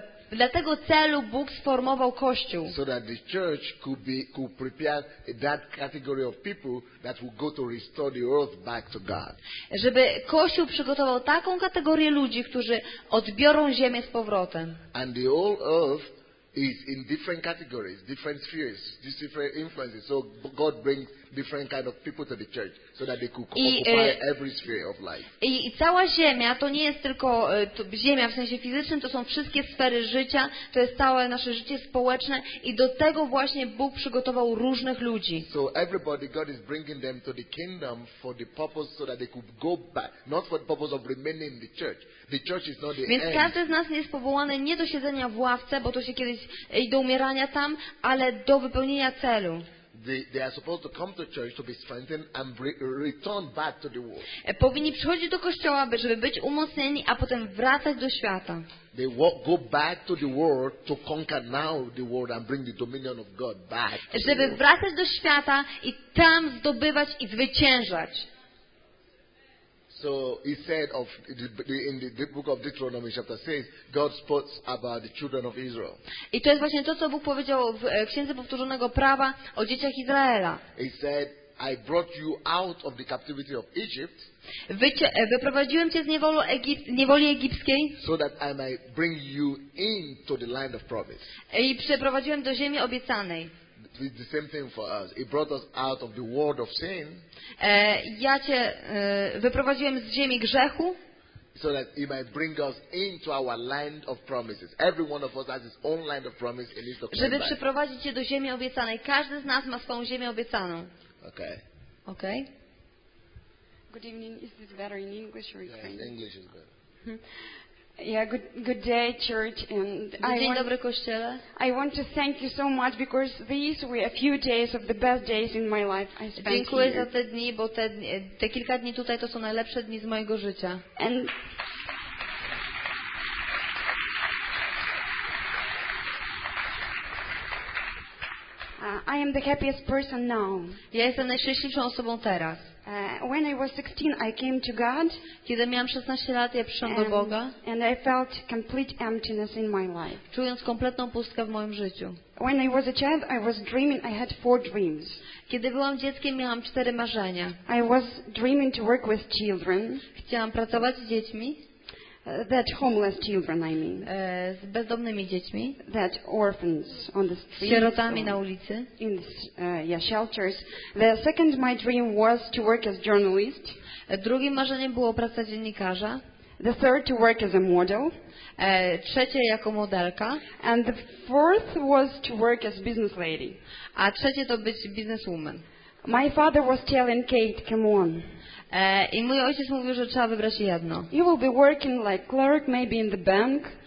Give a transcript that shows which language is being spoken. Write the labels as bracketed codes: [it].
[pl] Dlatego celu Bóg sformował kościół. [en] So that the church could prepare that category of people that will go to restore the earth back to God. [pl] Żeby kościół przygotował taką kategorię ludzi, którzy odbiorą ziemię z powrotem. [en] And the whole earth is in different categories, different spheres, different influences. So God brings different kind of people to the church so that they could occupy every sphere of life. [pl] I cała ziemia to nie jest tylko ziemia w sensie fizycznym, to są wszystkie sfery życia, to jest całe nasze życie społeczne i do tego właśnie Bóg przygotował różnych ludzi. [en] So everybody God is bringing them to the kingdom for the purpose so that they could go back, not for the purpose of remaining in the church. The church is not the [pl] end. Więc każdy z nas jest powołany nie do siedzenia w ławce, bo to się kiedyś i do umierania tam, ale do wypełnienia celu. [en] They are supposed to come to church to be strengthened and return back to the world. [pl] Powinni przychodzić do kościoła, żeby być umocnieni, a potem wracać do świata. [en] They walk, go back to the world to conquer now the world and bring the dominion of God back. [pl] Żeby wracać do świata i tam zdobywać i zwyciężać. [en] So he said of in the book of Deuteronomy chapter 6, God spoke about the children of Israel. [pl] I to jest właśnie to, co Bóg powiedział w Księdze Powtórzonego Prawa o dzieciach Izraela. [en] He said, I brought you out of the captivity of Egypt. [pl] Wyprowadziłem cię z niewoli egipskiej. [en] So that I might bring you into the land of promise. [pl] I przeprowadziłem do ziemi obiecanej. [en] The same thing for us. He brought us out of the world of sin. [pl] Ja cię wyprowadziłem z ziemi grzechu. [en] So that he might bring us into our land of promises. Every one of us has his own land of promise in his [pl] Żeby przyprowadzić cię do ziemi obiecanej. Każdy z nas ma swoją ziemię obiecaną. [en] Okay. Okay. Good evening. Is this better in English or in French? Yes, English is better. Yeah, good day, church, and I want to thank you so much because these were a few days of the best days in my life I spent [pl] Dziękuję [en] here. [pl] Za te dni, bo te kilka dni tutaj to są najlepsze dni z mojego życia. [en] I am the happiest person now. [pl] Ja jestem najszczęśliwszą osobą teraz. [en] When I was 16, I came to God. [pl] Kiedy miałam 16 lat, ja przyszłam do Boga. [en] And I felt complete emptiness in my life. [pl] Czując kompletną pustkę w moim życiu. [en] When I was a child, I was dreaming. I had 4 dreams. [pl] Kiedy byłam dzieckiem, miałam 4 marzenia. [en] I was dreaming to work with children. [pl] Chciałam pracować z dziećmi. [en] That homeless children, I mean. [pl] Z bezdomnymi dziećmi. [en] That orphans on the street. [pl] Sierotami na ulicy. [en] In shelters. The second my dream was to work as journalist. [pl] Drugim marzeniem było praca dziennikarza. [en] The third to work as a model. [pl] Trzecie jako modelka. [en] And the fourth was to work as business lady. [pl] A trzecie to być businesswoman. [en] My father was telling Kate, come on. [pl] I mój ojciec mówił, że trzeba wybrać jedno. [en] You will be working like clerk, maybe in the bank.